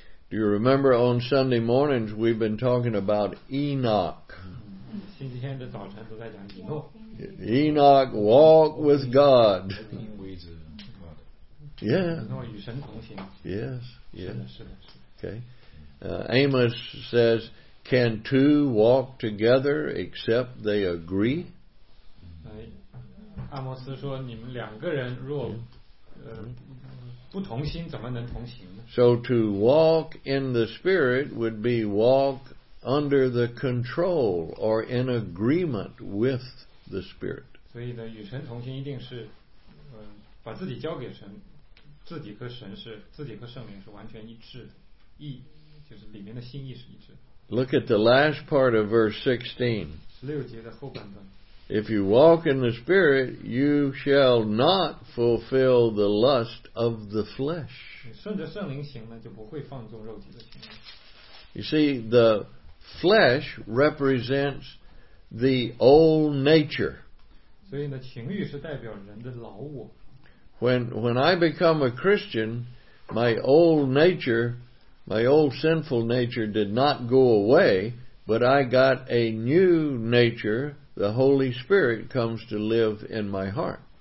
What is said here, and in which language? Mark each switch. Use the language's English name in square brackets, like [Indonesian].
[English] Do you remember on Sunday mornings we've been talking about Enoch? [Chinese] 星期天的早晨都在讲以诺。 [English] Enoch walked with God. Yeah. Yes. Yes. Okay. Amos says, can two walk together except they agree? So to walk in the Spirit would be walk under the control or in agreement with the Spirit. [Chinese] 所以呢，与神同行一定是，把自己交给神，自己和神是自己和圣灵是完全一致的，意就是里面的心意是一致的。 [English] Look at the last part of verse 16. [Chinese] 16节的后半段. [English] If you walk in the Spirit, you shall not fulfill the lust of the flesh. [Chinese] 顺着圣灵行呢，就不会放纵肉体的行为。 [English] You see, the flesh represents the old nature. [Chinese] 所以呢，情欲是代表人的老我。 [English] When I become a Christian, my old nature, my old sinful nature did not go away, but I got a new nature. The Holy Spirit comes to live in my heart.